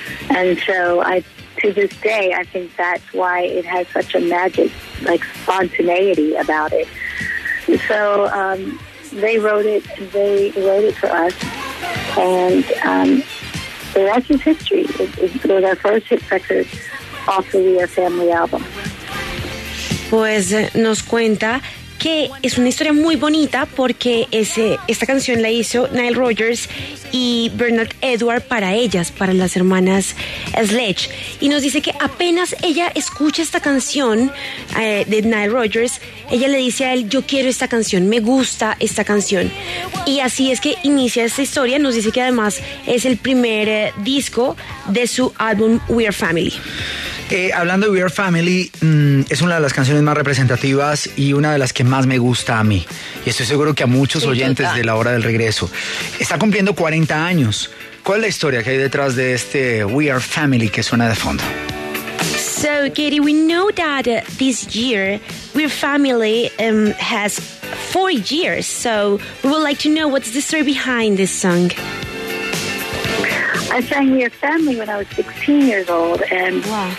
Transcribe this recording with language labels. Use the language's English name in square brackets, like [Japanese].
[English] And so to this day, I think that's why it has such a magic, like, spontaneity about it. So they wrote it for us, and the rest is history. It was our first hit record off of the We Are Family album. [Spanish] Pues nos cuenta que es una historia muy bonita porque esta canción la hizo Nile Rodgers y Bernard Edwards para ellas, para las hermanas Sledge. Y nos dice que apenas ella escucha esta canción de Nile Rodgers, ella le dice a él, yo quiero esta canción, me gusta esta canción. Y así es que inicia esta historia. Nos dice que además es el primer disco de su álbum We Are Family. Hablando de We Are Family, es una de las canciones más representativas y una de las que más me gusta a mí. Y estoy seguro que a muchos oyentes de La Hora del Regreso. Está cumpliendo 40 años. ¿Cuál es la historia que hay detrás de este We Are Family que suena de fondo? [English] So, Katie, we know that this year We Are Family has 4 years. So, we would like to know what's the story behind this song. I sang We Are Family when I was 16 years old, and wow.